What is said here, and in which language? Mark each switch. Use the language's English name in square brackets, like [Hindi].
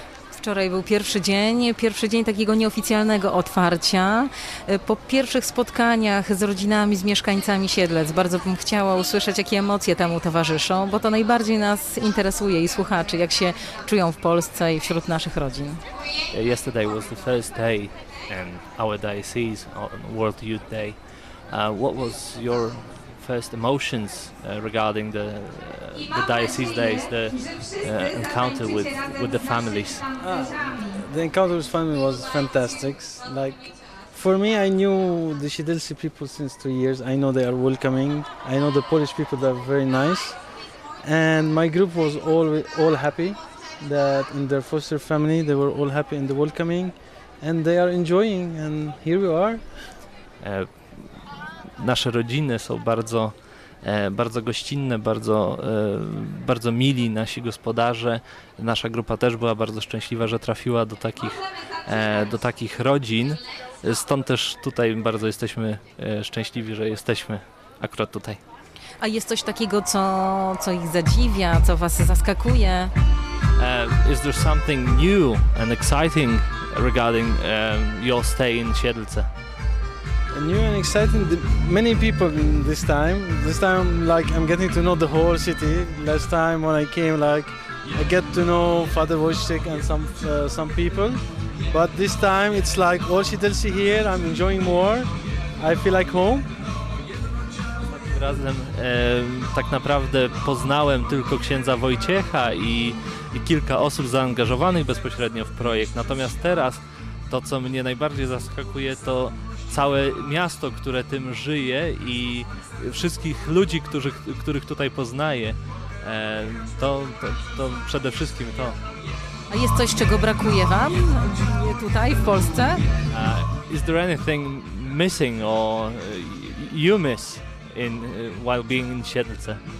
[Polish] Wczoraj był pierwszy dzień takiego nieoficjalnego otwarcia. Po pierwszych spotkaniach z rodzinami, z mieszkańcami Siedlec, bardzo bym chciała usłyszeć, jakie emocje temu towarzyszą, bo to najbardziej nas interesuje i słuchaczy, jak się czują w Polsce i wśród naszych rodzin. [English] Yesterday was the first day in our diocese on World Youth Day. What was your first emotions regarding the diocese days, the encounter with the families? The encounter with family was fantastic. Like, for me, I knew the Siedlce people since 2 years. I know they are welcoming. I know the Polish people are very nice. And my group was all happy that in their foster family, they were all happy in the welcoming. And they are enjoying, and here we are. [Polish] Nasze rodziny są bardzo, bardzo gościnne, bardzo, bardzo mili nasi gospodarze. Nasza grupa też była bardzo szczęśliwa, że trafiła do takich rodzin. Stąd też tutaj bardzo jesteśmy szczęśliwi, że jesteśmy akurat tutaj. A jest coś takiego, co ich zadziwia, co was zaskakuje? [English] Is there something new and exciting regarding your stay in Siedlce? New and exciting, many people this time like I'm getting to know the whole city. Last time when I came, like I get to know Father Wojciech and some people, but this time it's like all Siedlce here, I'm enjoying more, I feel like home. [Polish] Razem tak naprawdę poznałem tylko księdza Wojciecha i kilka osób zaangażowanych bezpośrednio w projekt, natomiast teraz to, co mnie najbardziej zaskakuje, to całe miasto, które tym żyje i wszystkich ludzi, których tutaj poznaję, to przede wszystkim to. A jest coś, czego brakuje wam tutaj w Polsce? [English] Is there anything missing or you miss while being in Siedlce?